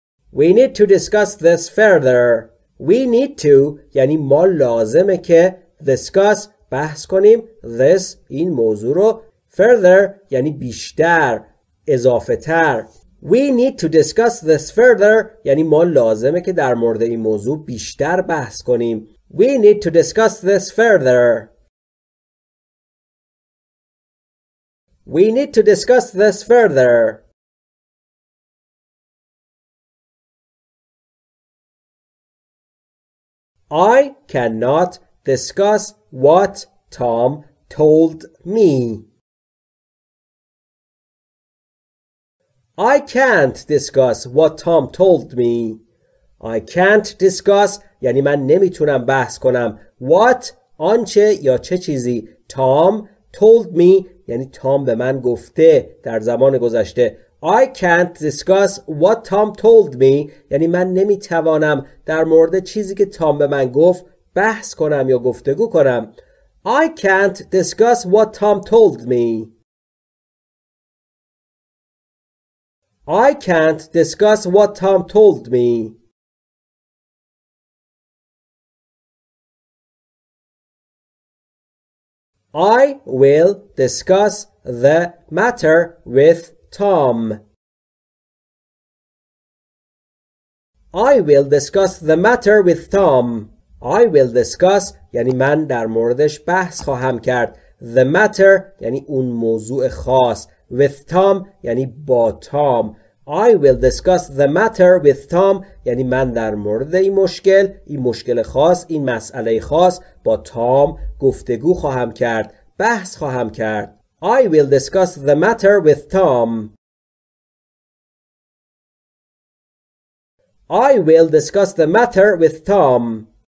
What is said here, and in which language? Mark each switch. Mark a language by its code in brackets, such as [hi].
[en] We need to discuss this further. We need to [fa] یعنی ما لازمه که [en] discuss [fa] بحث کنیم [en] this [fa] این موضوع رو. [en] Further [fa] یعنی بیشتر، اضافه تر. [en] We need to discuss this further [fa] یعنی ما لازمه که در مورد این موضوع بیشتر بحث کنیم. [en] We need to discuss this further. We need to discuss this further. I cannot discuss what Tom told me. I can't discuss what Tom told me. I can't discuss [fa] یعنی من نمیتونم بحث کنم. [en] What [fa] آنچه یا چه چیزی [en] Tom told me [fa] یعنی تام به من گفته در زمان گذشته. [en] I can't discuss what Tom told me [fa] یعنی من نمیتوانم در مورد چیزی که تام به من گفت بحث کنم یا گفتگو کنم. [en] I can't discuss what Tom told me. I can't discuss what Tom told me. I will discuss the matter with Tom. I will discuss the matter with Tom. I will discuss [fa] یعنی من در موردش بحث خواهم کرد. [en] The matter [fa] یعنی اون موضوع خاص. [en] With Tom [fa] یعنی با Tom. [en] I will discuss the matter with Tom [fa] یعنی من در مورد این مشکل خاص، این مسئله خاص با Tom گفتگو خواهم کرد، بحث خواهم کرد. [en] I will discuss the matter with Tom. I will discuss the matter with Tom.